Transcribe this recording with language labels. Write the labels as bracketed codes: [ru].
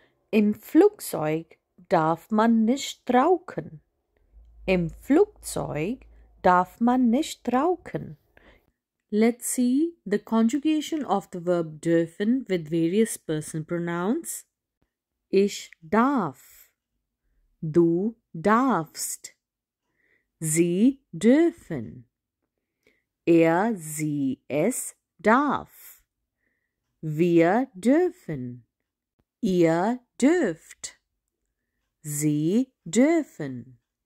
[de] Im Flugzeug darf man nicht rauchen, im Flugzeug darf man nicht rauchen. [en] Let's see the conjugation of the verb dürfen with various person pronouns. [de] Ich darf, du darfst, sie dürfen, er, sie, es darf, wir dürfen, ihr dürft, sie dürfen.